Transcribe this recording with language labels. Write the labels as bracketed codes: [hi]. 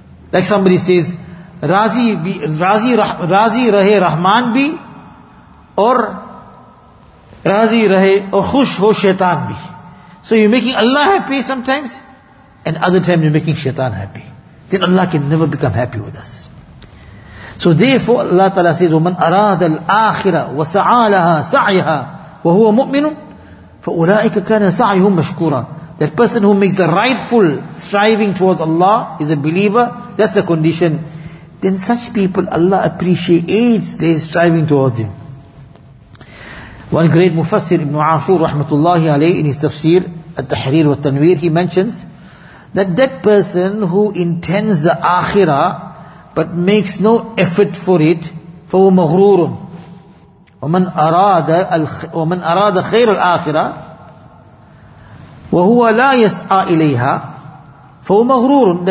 [en] Like somebody says, [ur] Razi rahe Rahman bhi, or Razi rahe, or khush ho shaitan bhi. [en] So you're making Allah happy sometimes, and other times you're making shaitan happy. Then Allah can never become happy with us. So therefore, Allah Ta'ala says, [ar] وَمَنْ أَرَادَ الْآخِرَةِ وَسَعَى لَهَا سَعْيَهَا وَهُوَ مُؤْمِنٌ فَأُولَٰئِكَ كَانَ سَعْيُهُمْ مَشْكُورًا. [en] That person who makes the rightful striving towards Allah is a believer, that's the condition. Then such people, Allah appreciates their striving towards Him. One great Mufassir, Ibn Ashur, rahmatullahi alayhi, in his tafsir, Al-Tahrir wa Tanwir, he mentions that person who intends the akhirah but makes no effort for it, [ar] فَوَ مَغْرُورٌ وَمَنْ أَرَادَ خَيْرَ الْآخِرَةِ وَهُوَ لَا يَسْعَى إِلَيْهَا فَهُوَ مَغْرُورٌ.